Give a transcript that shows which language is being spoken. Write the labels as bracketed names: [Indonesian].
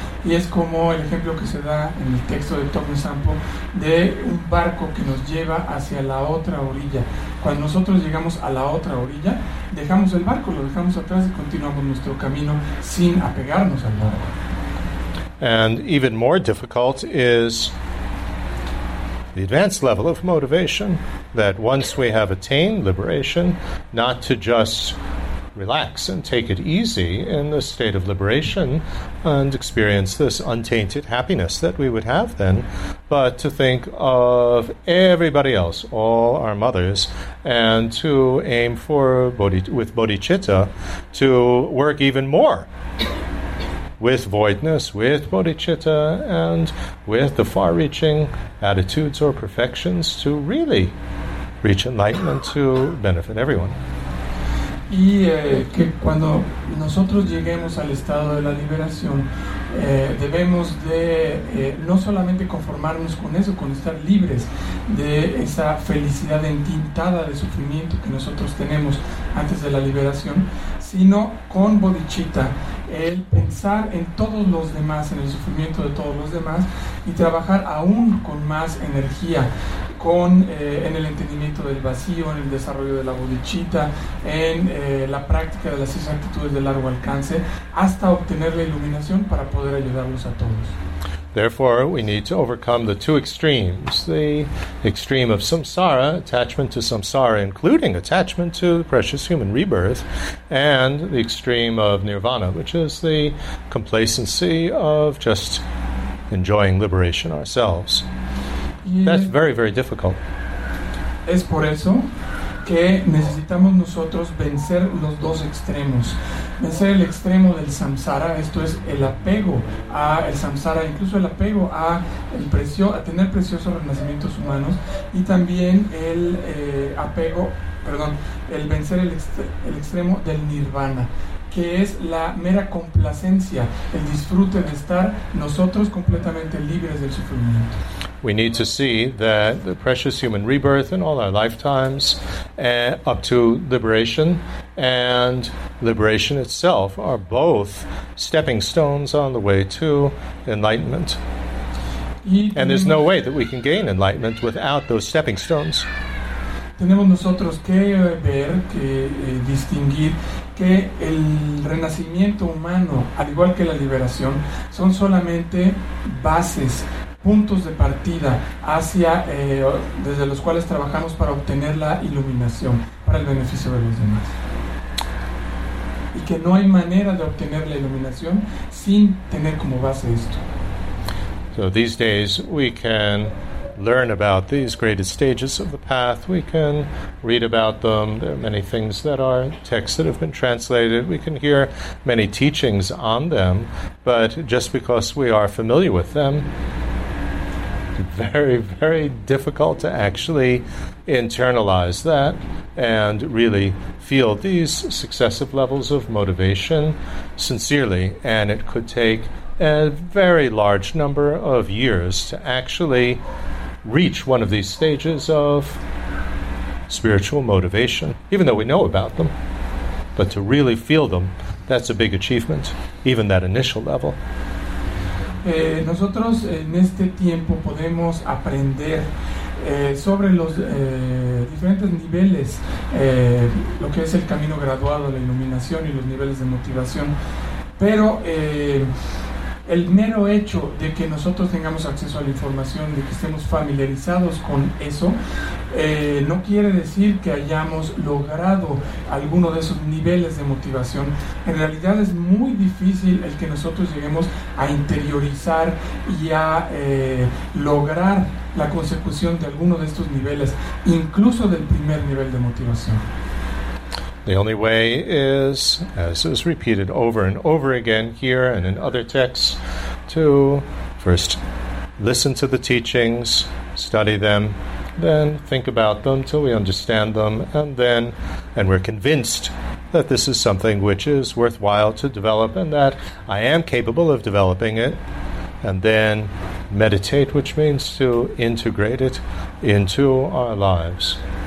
[Spanish] Y es como el ejemplo que se da en el texto de Tomo Sampo de un barco que nos lleva hacia la otra orilla. Cuando nosotros llegamos a la otra orilla, dejamos el barco, lo dejamos atrás y continuamos nuestro camino sin apegarnos al barco. [English] And even more difficult is the advanced level of motivation, that once we have attained liberation, not to just relax and take it easy in the state of liberation and experience this untainted happiness that we would have then, but to think of everybody else, all our mothers, and to aim for bodhicitta, to work even more with voidness, with bodhicitta, and with the far-reaching attitudes or perfections to really reach enlightenment to benefit everyone. [Spanish] Y que cuando nosotros lleguemos al estado de la liberación, debemos de no solamente conformarnos con eso, con estar libres de esa felicidad entintada de sufrimiento que nosotros tenemos antes de la liberación, sino con bodhicitta, el pensar en todos los demás, en el sufrimiento de todos los demás, y trabajar aún con más energía, en el entendimiento del vacío, en el desarrollo de la bodhicitta, en la práctica de las 6 actitudes de largo alcance, hasta obtener la iluminación para poder ayudarlos a todos. [English] Therefore, we need to overcome the two extremes, the extreme of samsara, attachment to samsara, including attachment to the precious human rebirth, and the extreme of nirvana, which is the complacency of just enjoying liberation ourselves. That's very, very difficult. [Spanish] Es por eso que necesitamos nosotros vencer los dos extremos. Vencer el extremo del samsara, esto es el apego a el samsara, incluso el apego a el precio, a tener preciosos renacimientos humanos, y también el apego, perdón, el vencer el extremo del nirvana, que es la mera complacencia, el disfrute de estar nosotros completamente libres del sufrimiento. [English] We need to see that the precious human rebirth in all our lifetimes, up to liberation, and liberation itself are both stepping stones on the way to enlightenment. And there's no way that we can gain enlightenment without those stepping stones. [Spanish] Tenemos nosotros que ver, que distinguir que el renacimiento humano, al igual que la liberación, son solamente bases, puntos de partida hacia desde los cuales trabajamos para obtener la iluminación para el beneficio de los demás, y que no hay manera de obtener la iluminación sin tener como base esto. [English] So these days we can learn about these graded stages of the path, we can read about them, there are many things that are texts that have been translated, we can hear many teachings on them, but just because we are familiar with them, very, very difficult to actually internalize that and really feel these successive levels of motivation sincerely. And it could take a very large number of years to actually reach one of these stages of spiritual motivation, even though we know about them. But to really feel them, that's a big achievement, even that initial level. [Spanish] Nosotros en este tiempo podemos aprender sobre los diferentes niveles, lo que es el camino graduado, la iluminación y los niveles de motivación, pero el mero hecho de que nosotros tengamos acceso a la información, de que estemos familiarizados con eso, no quiere decir que hayamos logrado alguno de esos niveles de motivación. En realidad es muy difícil el que nosotros lleguemos a interiorizar y a lograr la consecución de alguno de estos niveles, incluso del primer nivel de motivación. [English] The only way is, as is repeated over and over again here and in other texts, to first listen to the teachings, study them, then think about them till we understand them, and we're convinced that this is something which is worthwhile to develop and that I am capable of developing it, and then meditate, which means to integrate it into our lives.